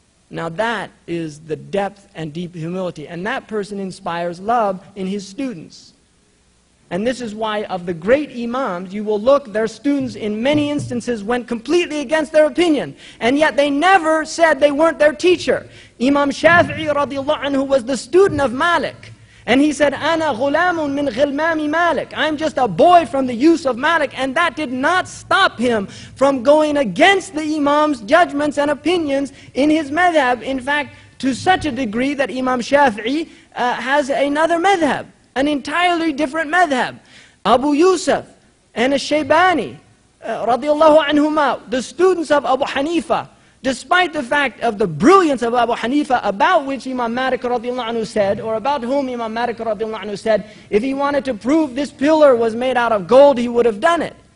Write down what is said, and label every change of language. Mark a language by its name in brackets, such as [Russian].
[English] Now that is the depth and deep humility. And that person inspires love in his students. And this is why of the great imams, you will look, their students in many instances went completely against their opinion. And yet they never said they weren't their teacher. Imam Shafi'i radiallahu anhu was the student of Malik. And he said, [Arabic] أنا غلام من غلمام مالك. [English] I'm just a boy from the use of Malik. And that did not stop him from going against the imam's judgments and opinions in his madhab. In fact, to such a degree that Imam Shafi'i has another madhab. An entirely different madhab. Abu Yusuf and al-Shaybani, radiallahu anhuma, the students of Abu Hanifa, despite the fact of the brilliance of Abu Hanifa, about which Imam Malik radiallahu anhu said, or about whom Imam Malik radiallahu anhu said, if he wanted to prove this pillar was made out of gold, he would have done it.